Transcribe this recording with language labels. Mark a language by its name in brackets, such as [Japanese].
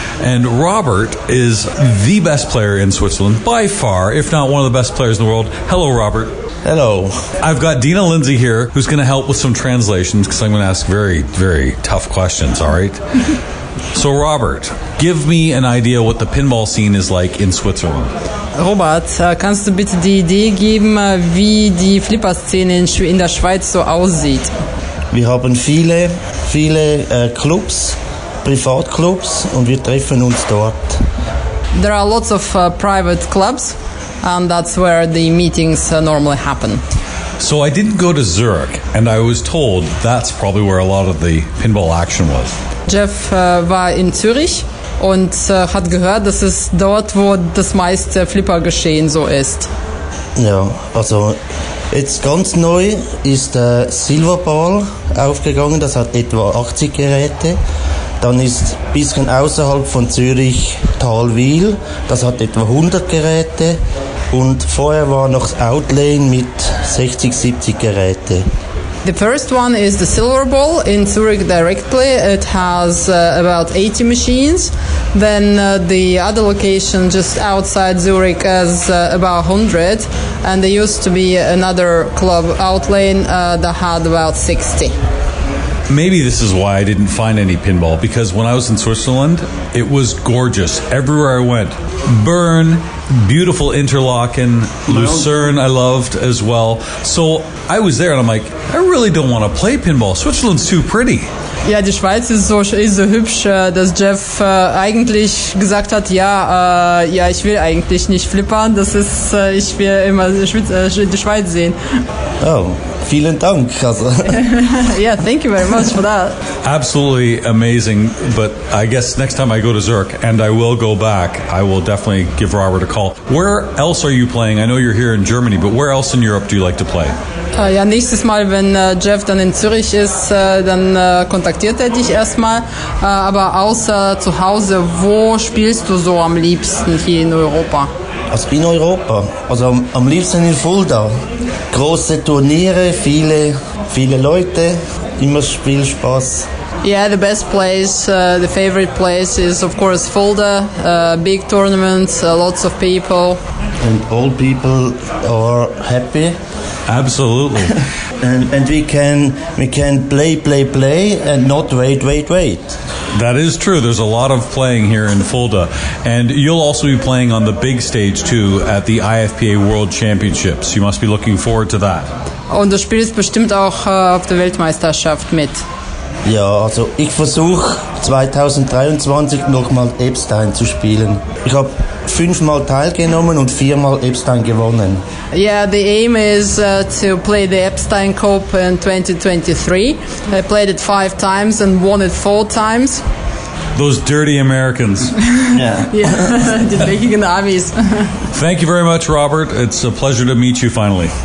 [English] And Robert is the best player in Switzerland by far, if not one of the best players in the world. Hello, Robert. Hello. I've got Dina Lindsay here, who's going to help with some translations, because I'm going to ask very, very tough questions, all right? So, Robert, give me an idea what the pinball scene is like in Switzerland. [German] Robert, kannst du bitte die Idee geben, wie die Flipper-Szene in der Schweiz so aussieht? Wir haben viele, viele Clubs, Privatclubs, und wir treffen uns dort. [English] There are lots of private clubs, and that's where the meetings normally happen. So I didn't go to Zurich, and I was told that's probably where a lot of the pinball action was. [German] Jeff war in Zürich und hat gehört, dass es dort, wo das meiste Flipper-Geschehen so ist. Ja, also jetzt ganz neu ist der Silverball aufgegangen, das hat etwa 80 Geräte. Dann ist ein bisschen außerhalb von Zürich Talwil, das hat etwa 100 Geräte. Und vorher war noch Outlane mit 60, 70 Geräte. [English] The first one is the Silver Ball in Zurich directly. It has about 80 machines. Then the other location just outside Zurich has about 100. And there used to be another club, Outlane, that had about 60. Maybe this is why I didn't find any pinball, because when I was in Switzerland, it was gorgeous. Everywhere I went, Bern, beautiful Interlaken, Lucerne I loved as well. So I was there and I'm like, I really don't want to play pinball. Switzerland's too pretty. [German] Ja, die Schweiz ist so hübsch, dass Jeff eigentlich gesagt hat, ja, ich will eigentlich nicht flippern. Das ist, ich will immer die Schweiz sehen. Oh, vielen Dank. [English] Yeah, thank you very much for that. Absolutely amazing. But I guess next time I go to Zurich, and I will go back, I will definitely give Robert a call. Where else are you playing? I know you're here in Germany, but where else in Europe do you like to play? [German] Ja, nächstes Mal, wenn Jeff dann in Zürich ist, dann kontaktiert er dich erstmal. Aber außer zu Hause, wo spielst du so am liebsten hier in Europa? Also in Europa. Also am liebsten in Fulda. Große Turniere, viele, viele Leute, immer Spielspaß. [English] Yeah, the best place, the favorite place is of course Fulda. Big tournaments, lots of people. And all people are happy. Absolutely. And we can play and not wait. That is true. There's a lot of playing here in Fulda. And you'll also be playing on the big stage too at the IFPA World Championships. You must be looking forward to that. [German] Und du spielst bestimmt auch auf der Weltmeisterschaft mit. Ja, also ich versuche 2023 nochmal Epstein zu spielen. Ich habe 5-mal teilgenommen und 4-mal Epstein gewonnen. [English] Yeah, the aim is to play the Epstein Cup in 2023. I played it 5 times and won it 4 times. Those dirty Americans. Yeah. Yeah, making the armies. Thank you very much, Robert. It's a pleasure to meet you finally.